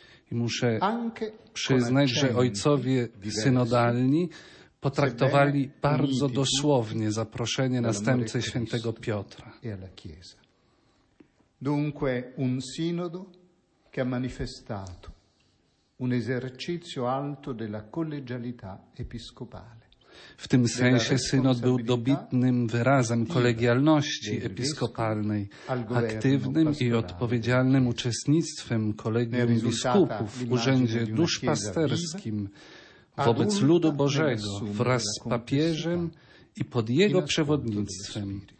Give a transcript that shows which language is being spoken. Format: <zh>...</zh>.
<pl>I muszę przyznać, że ojcowie synodalni potraktowali bardzo dosłownie zaproszenie następcy świętego Piotra.</pl> <it>Dunque un sinodo che ha manifestato un esercizio alto della collegialità episcopale.</it> <pl>W tym sensie synod był dobitnym wyrazem kolegialności episkopalnej, aktywnym i odpowiedzialnym uczestnictwem kolegium biskupów w urzędzie duszpasterskim wobec ludu Bożego wraz z papieżem i pod jego przewodnictwem.</pl>